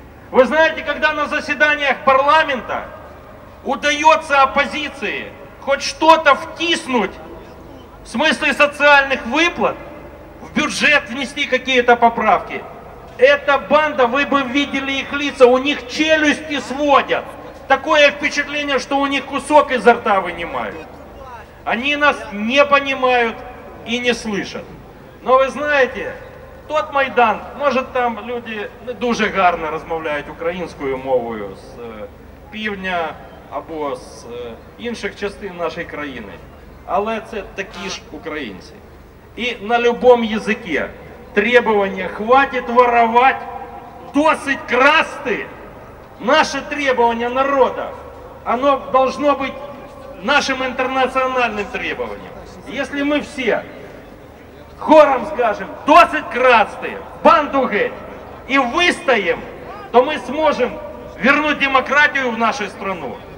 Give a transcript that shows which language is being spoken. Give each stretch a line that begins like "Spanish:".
Russian: Вы знаете, когда на заседаниях парламента удается оппозиции хоть что-то втиснуть в смысле социальных выплат, в бюджет внести какие-то поправки, эта банда, вы бы видели их лица, у них челюсти сводят. Такое впечатление, что у них кусок изо рта вынимают. Они нас не понимают и не слышат. Но вы знаете, тот Майдан, может там люди
Ukrainian: дуже гарно розмовляють українською мовою з півдня або з інших частин нашої країни. Але це такі ж українці. І на любом язикі требування
Russian: «хватит воровать,
Ukrainian: досить красти».
Russian: Наше требование народа, оно должно быть нашим интернациональным требованием. Если мы все хором скажем
Ukrainian: «досить красти, банду геть»
Russian: и выстоим, то мы сможем вернуть демократию в нашу страну.